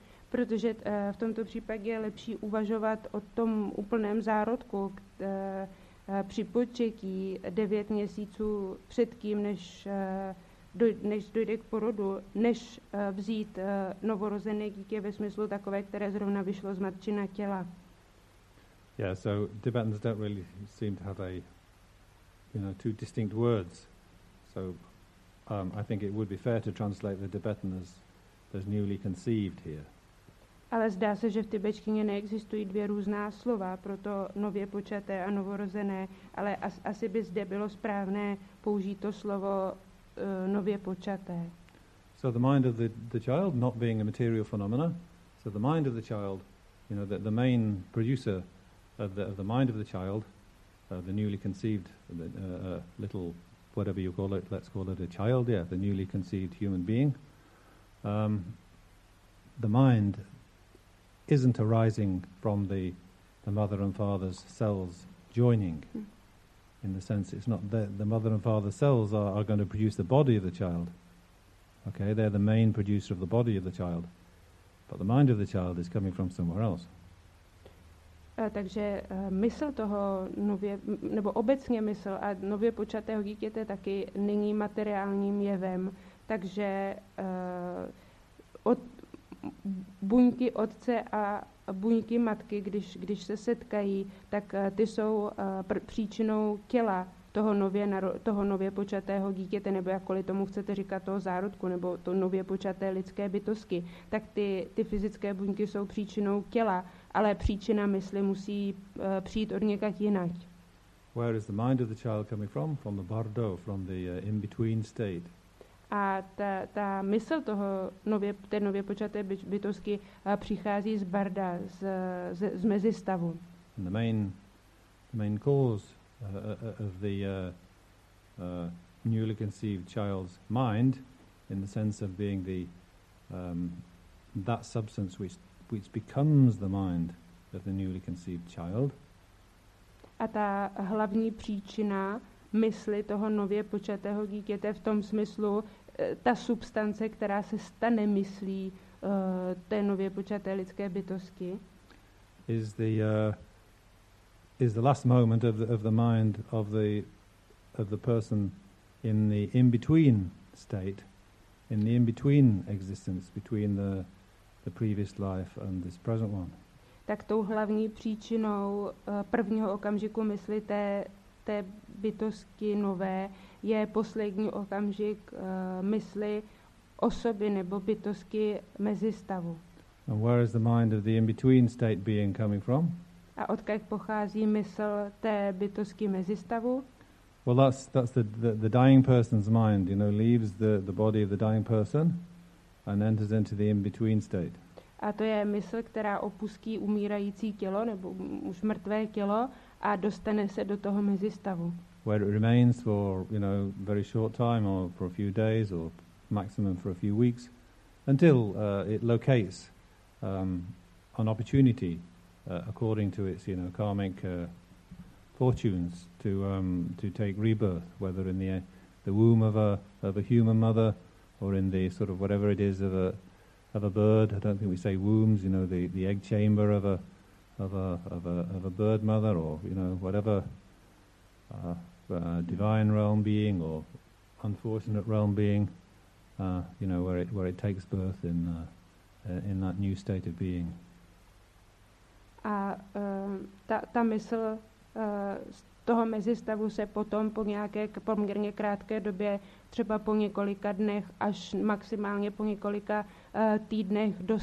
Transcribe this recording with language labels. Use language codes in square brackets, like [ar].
[cs] Protože v tomto případě je lepší uvažovat o tom úplném zárodku při početí 9 měsíců před tím, než dojde k porodu, než vzít novorozené dítě ve smyslu takové, které zrovna vyšlo z matčina těla. [en] Yeah, so Tibetans don't really seem to have two distinct words. So I think it would be fair to translate the Tibetan as newly conceived here. [cs] Ale zdá se, že v tibetštině neexistují dvě různá slova pro to nově počaté a novorozené, ale asi by zde bylo správné použít to slovo nově počaté. [en] So the mind of the child not being a material phenomena, so the mind of the child, the main producer of the mind of the child, the newly conceived little, whatever you call it, let's call it a child, yeah, the newly conceived human being, the mind isn't arising from the mother and father's cells joining. in the sense it's not the mother and father cells are going to produce the body of the child. Okay, they're the main producer of the body of the child. But the mind of the child is coming from somewhere else. [cs] Takže mysl toho nově, nebo obecně mysl a nově počatého dítěte taky není materiálním jevem. Takže od buňky otce a buňky matky, když se setkají, tak ty jsou příčinou těla toho nově počatého dítěte, nebo jakkoliv tomu chcete říkat, toho zárodku, nebo to nově počaté lidské bytosti, tak ty fyzické buňky jsou příčinou těla, ale příčina mysli musí přijít od někud jinak. [en] Where is the mind of the child coming from? From the bardo, from the in-between state. [cs] A ta mysl toho nově počaté bytosti přichází z barda, z mezistavu. [en] And the main cause of the newly conceived child's mind, in the sense of being the that substance which becomes the mind of the newly conceived child. [cs] A ta hlavní příčina mysli toho nově počatého dítěte v tom smyslu, ta substance, která se stane myslí té nově počaté lidské bytosti, [en] is the last moment of the mind of the person in the in between state, in the in between existence between the previous life and this present one. [cs] Tak tou hlavní příčinou prvního okamžiku mysli té bytosti nové je poslední okamžik mysli osoby nebo bytosti mezistavu. [en] And where is the mind of the in between state being coming from? [cs] A odkud pochází mysl té bytosti mezistavu? [en] Well, that's the dying person's mind, you know, leaves the body of the dying person and enters into the in-between state. [cs] A to je mysl, která opustí umírající tělo nebo už mrtvé tělo a dostane se do toho mezistavu. [en] Where it remains for, you know, very short time or for a few days or maximum for a few weeks until it locates an opportunity according to its, you know, karmic fortunes to take rebirth, whether in the womb of a human mother or in the sort of whatever it is of a bird. I don't think we say wombs, you know, the egg chamber of a bird mother, or, you know, whatever divine realm being or unfortunate realm being, you know, where it takes birth in that new state of being. [cs] A ta mysl z toho mezistavu se potom po nějaké poměrně krátké době, třeba po několika dnech až maximálně po několika týdnech